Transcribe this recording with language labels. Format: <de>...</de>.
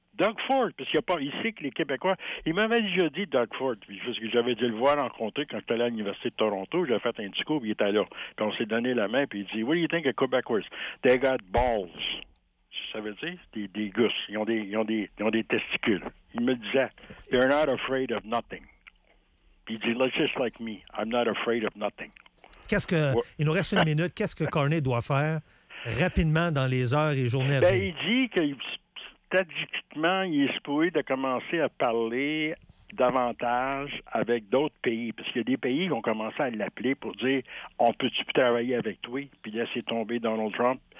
<fr>Doug Ford, parce qu'il y a pas, il sait que les Québécois... Il m'avait déjà dit Doug Ford, parce que j'avais dû le voir rencontrer quand j'étais allé à l'Université de Toronto. J'avais fait un discours, puis il était là. Puis on s'est donné la main, puis il dit, «</fr> <en>What do you think of Quebecers? They got balls.</en> <fr>» Ça veut dire des gousses. Ils ont des testicules. Il me disait,</fr> <en>« They're not afraid of nothing. »</en> <fr>Puis il dit,</fr> <en>« Just like me, I'm not afraid of nothing. »</en> <fr>Qu'est-ce que... Il nous reste une minute. Qu'est-ce que Carney doit faire rapidement dans les heures et journées à venir? Ben, il dit que... Stratégiquement, il est supposé de commencer à parler davantage avec d'autres pays. Parce qu'il y a des pays qui ont commencé à l'appeler pour dire « On peut-tu travailler avec toi? » Puis laisser tomber Donald Trump.</fr>